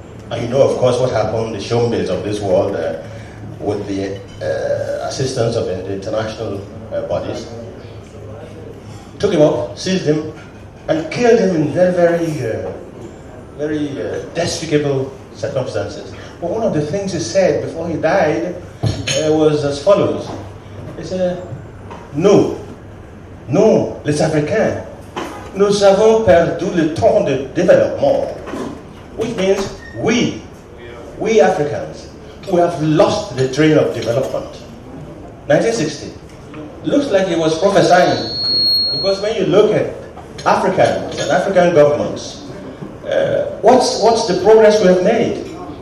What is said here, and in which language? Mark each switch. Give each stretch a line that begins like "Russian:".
English: And you know, of course, what happened, the showbiz of this world, with the assistance of the international bodies. Took him up, seized him, and killed him in very, very, very despicable circumstances. But one of the things he said before he died was as follows. He said,
French: Nous, les Africains, nous avons perdu le temps de développement.
English: Which means, we Africans, we have lost the train of development. 1960. Looks like he was prophesying. Because when you look at Africans and African governments, what's the progress we have made?